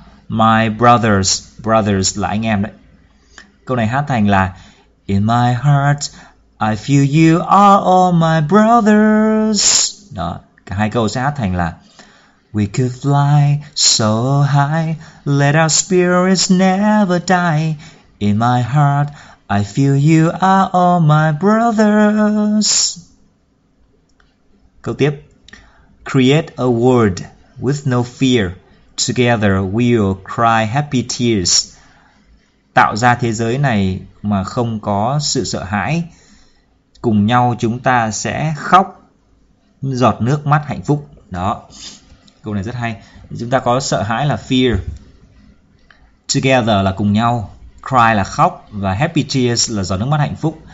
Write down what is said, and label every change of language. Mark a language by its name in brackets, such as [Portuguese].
[English] My brothers, brothers [Vietnamese] là anh em đấy. Câu này hát thành là [English] in my heart, I feel you are all my brothers. [Vietnamese] Đó, cả hai câu sẽ hát thành là [English] we could fly so high, let our spirits never die. In my heart, I feel you are all my brothers. [Vietnamese] Câu tiếp. [English] Create a world with no fear. Together we'll cry happy tears. [Vietnamese] Tạo ra thế giới này mà không có sự sợ hãi. Cùng nhau chúng ta sẽ khóc giọt nước mắt hạnh phúc. Đó, câu này rất hay. Chúng ta có sợ hãi là fear, together là cùng nhau, cry là khóc, và happy tears là giọt nước mắt hạnh phúc.